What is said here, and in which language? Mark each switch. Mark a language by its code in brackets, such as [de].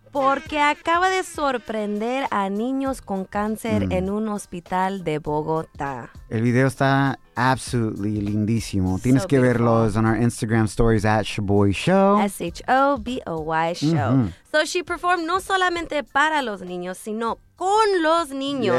[es] Porque acaba de sorprender a niños con cáncer en un hospital de Bogotá. El video está [en] absolutely [es] lindísimo. [en] So [es] tienes que [en] beautiful. [es] Verlos [en] on our Instagram stories [es] at Shaboy Show. Shaboy Show. Mm-hmm. [en] So she performed [es] no solamente para los niños, sino con los niños.